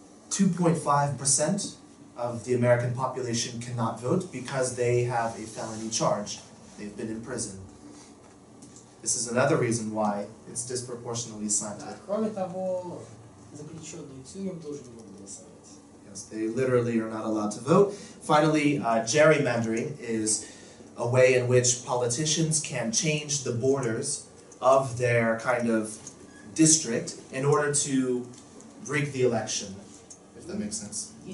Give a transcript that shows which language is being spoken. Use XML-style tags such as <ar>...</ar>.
<en>Two point five percent of the American population cannot vote because they have a felony charge. They've been in prison. This is another reason why it's disproportionately slanted.</en> <ru>Да, кроме того, заключенные тюрем тоже не могут голосовать.</ru> <en>They literally are not allowed to vote. Finally, gerrymandering is a way in which politicians can change the borders of their kind of district in order to rig the election, if that makes sense.</en>